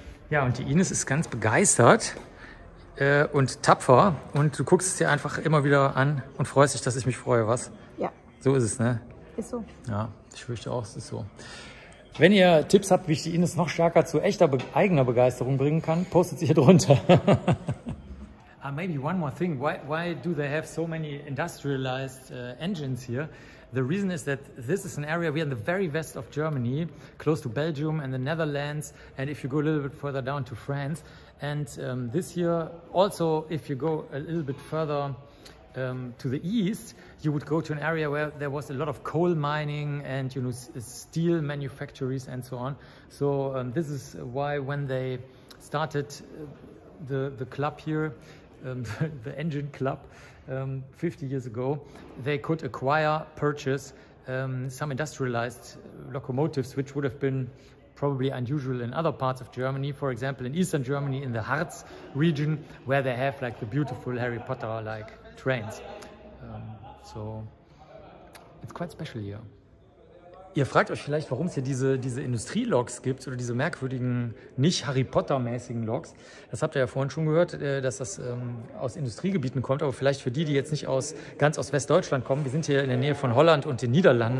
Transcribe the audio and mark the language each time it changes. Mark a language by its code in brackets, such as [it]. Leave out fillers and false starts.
[de] Ja, und die Ines ist ganz begeistert und tapfer und du guckst es dir einfach immer wieder an und freust dich, dass ich mich freue, was? Ja. So ist es, ne? Ist so. Ja, ich fürchte auch, es ist so. Wenn ihr Tipps habt, wie ich die Ines noch stärker zu echter eigener Begeisterung bringen kann, postet sie hier drunter. [en] maybe one more thing. Why do they have so many industrialized engines here? The reason is that this is an area, we are in the very west of Germany, close to Belgium and the Netherlands, and if you go a little bit further down to France. And this year, also if you go a little bit further to the east, you would go to an area where there was a lot of coal mining and, you know, steel manufactories and so on. So this is why when they started the club here, the engine club 50 years ago, they could purchase some industrialized locomotives, which would have been probably unusual in other parts of Germany. For example, in eastern Germany, in the Harz region, where they have like the beautiful Harry Potter like trains. So it's quite special here. [de] Ihr fragt euch vielleicht, warum es hier diese Industrieloks gibt oder diese merkwürdigen, nicht Harry Potter-mäßigen Loks. Das habt ihr ja vorhin schon gehört, dass das aus Industriegebieten kommt. Aber vielleicht für die, die jetzt nicht ganz aus Westdeutschland kommen. Wir sind hier in der Nähe von Holland und den Niederlanden.